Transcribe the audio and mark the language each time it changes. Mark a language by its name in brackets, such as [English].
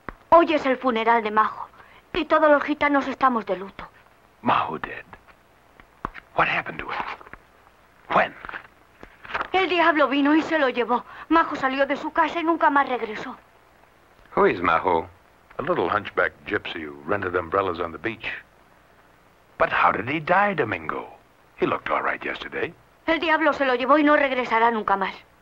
[Spanish] Hoy es el funeral de Majo, y todos los gitanos estamos de luto. [English] Majo dead. What happened to it? When? [Spanish] El diablo vino y se lo llevó. Majo salió de su casa y nunca más regresó. [English] Who is Majo? A little hunchback gypsy who rented umbrellas on the beach. But how did he die, Domingo? He looked all right yesterday. [Spanish] El diablo se lo llevó y no regresará nunca más.